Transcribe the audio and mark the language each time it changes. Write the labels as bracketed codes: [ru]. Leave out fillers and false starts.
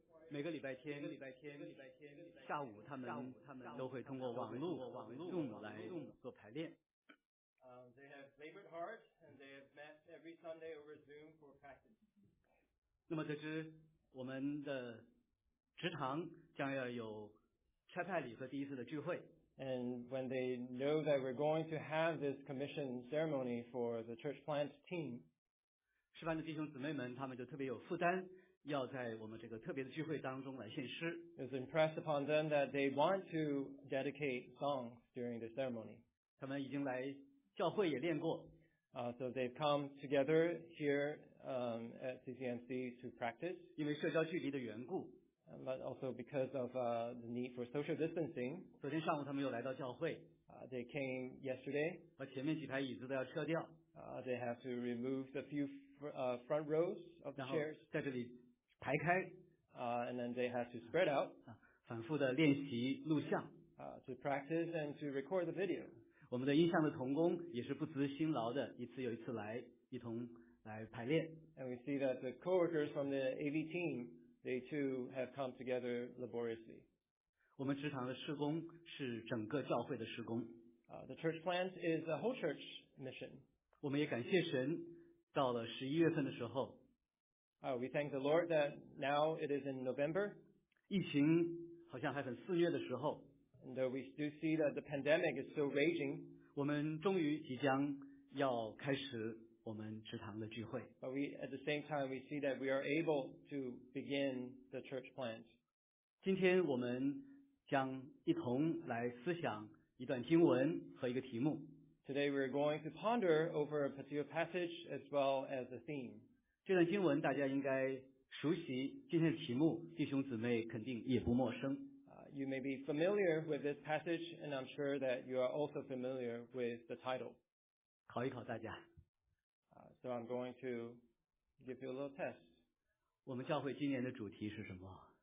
[zh] 每个礼拜天下午他们都会通过网络用来做排练。 [en] They have labored hard and they have met every Sunday over Zoom for practice. [zh] 那么这支我们的职堂将要有差派礼和第一次的聚会。 [en] And when they know that we're going to have this commission ceremony for the church plant team, [zh] 示范的弟兄姊妹们他们就特别有负担要在我们这个特别的聚会当中来献诗。 [en] It's impressed upon them that they want to dedicate songs during the ceremony. [zh] 他们已经来教会也练过。 [en] So they've come together here, at CCMC to practice. [zh] 因为社交距离的缘故。 [en] But also because of the need for social distancing. [zh] 昨天上午他们又来到教会。 [en] They came yesterday. [zh] 把前面几排椅子都要撤掉。 [en] They have to remove the few front rows of the chairs. [zh] 在这里排开。 [en] And then they have to spread out. [zh] 反复的练习录像。 [en] To practice and to record the video. [zh] 我们的音像的同工也是不辞辛劳的，一次又一次来一同来排练。 [en] And we see that the coworkers from the AV team. They too have come together laboriously. [zh] 我们职堂的施工是整个教会的施工。 [en] The church plant is a whole church mission. [zh] 我们也感谢神，到了十一月份的时候。 [en] We thank the Lord that now it is in November. [zh] 疫情好像还很肆虐的时候。 [en] And though we do see that the pandemic is still raging. [zh] 我们终于即将要开始。我们职堂的聚会。 [en] But we, at the same time, we see that we are able to begin the church plant. [zh] 今天我们将一同来思想一段经文和一个题目。 [en] Today we are going to ponder over a particular passage as well as a theme. [zh] 这段经文大家应该熟悉，今天的题目弟兄姊妹肯定也不陌生。 [en] You may be familiar with this passage, and I'm sure that you are also familiar with the title. [zh] 考一考大家。 [en] So I'm going to give you a little test. [zh] 我们教会今年的主题是什么？